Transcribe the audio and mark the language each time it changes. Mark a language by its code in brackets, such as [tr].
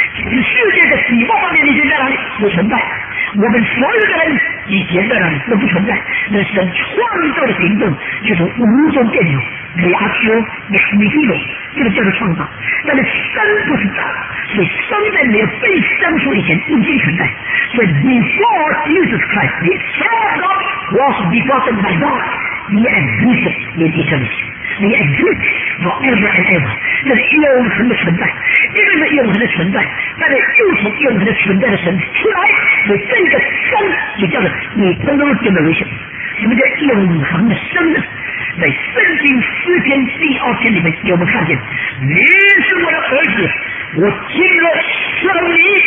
[zh] 你世界的几万万年前在哪里？不存在。我们所有的人以前在哪里？都不存在。那神创造的行动就是无中变有，你阿丘，你米基鲁，这个叫做创造。但是生不是造，所以生在没有被生出以前已经存在。所以 [en] before Jesus Christ, the Son of God was begotten by God, he existed in eternity, he existed forever and ever。 [zh] 那是永恒的存在，一个是永恒的存在，但是又从永恒的存在的神出来，所以这个生也叫做 [en] eternal generation。 [zh] 什么叫永恒的生呢？在圣经诗篇第二篇里面，有没有看见？你是我的儿子，我今日生你。